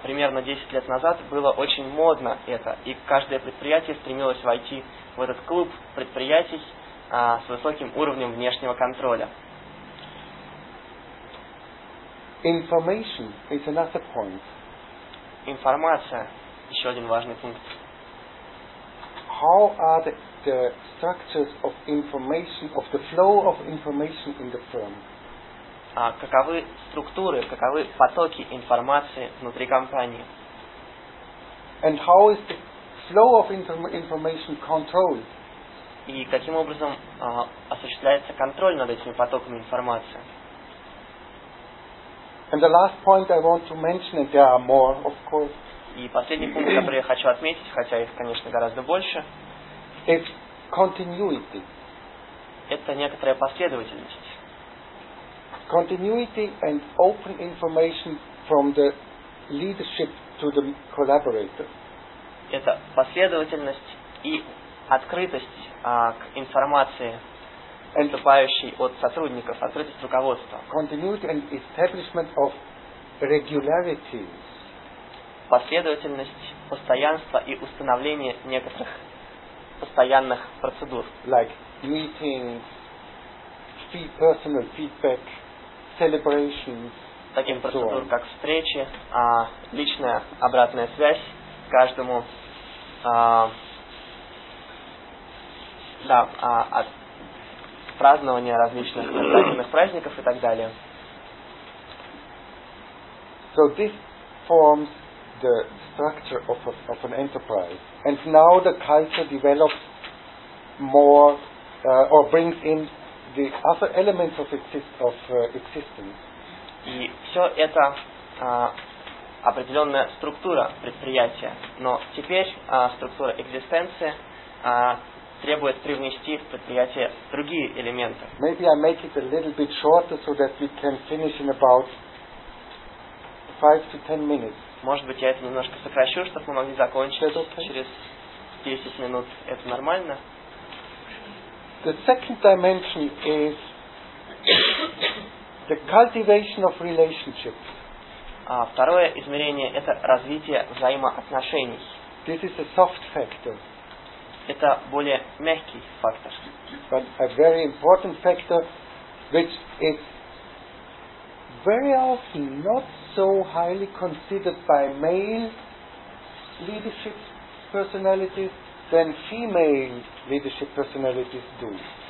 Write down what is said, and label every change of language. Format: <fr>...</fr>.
<ru>Примерно 10 лет назад было очень модно это, и каждое предприятие стремилось войти в этот клуб предприятий с высоким уровнем внешнего контроля.</ru> <en>Information is another point.</en> <ru>Информация – еще один важный пункт.</ru> <en>How are the structures of information, of the flow of information in the firm?</en> <ru>Каковы структуры, каковы потоки информации внутри компании?</ru> <en>And how is the flow of information controlled?</en> <ru>И каким образом осуществляется контроль над этими потоками информации?</ru> <en>And the last point I want to mention, and there are more, of course.</en> <ru>И последний пункт, который я хочу отметить, хотя их, конечно, гораздо больше.</ru> <en>It's continuity.</en> <ru>Это некоторая последовательность.</ru> <en>Continuity and open information from the leadership to the collaborator.</en> <ru>Это последовательность и открытость к информации, поступающий от сотрудников, открытость руководства.</ru> <en>Continuity and establishment of regularities.</en> <ru>Последовательность постоянства и установления некоторых постоянных процедур.</ru> <en>Like meetings, personal feedback, celebrations.</en> <ru>Таким процедурам, как встречи, личная обратная связь каждому, от празднования различных национальных праздников и так далее.</ru> <en>So this forms the structure of an enterprise. And now the culture develops more or brings in the other elements of existence.</en> <ru>И все это определенная структура предприятия. Но теперь структура экзистенции требует привнести в предприятие другие элементы.</ru> <en>Maybe I make it a little bit shorter so that we can finish in about 5 to 10 minutes.</en> <ru>Может быть, я это немножко сокращу, чтобы мы могли закончить через 10 минут. Это нормально?</ru> <en>The second dimension is the cultivation of relationships.</en> <ru>Второе измерение – это развитие взаимоотношений.</ru> <en>This is a soft factor.</en> <ru>Это более мягкий фактор.</ru> <en>But a very important factor, which is very often not so highly considered by male leadership personalities than female leadership personalities do.</en>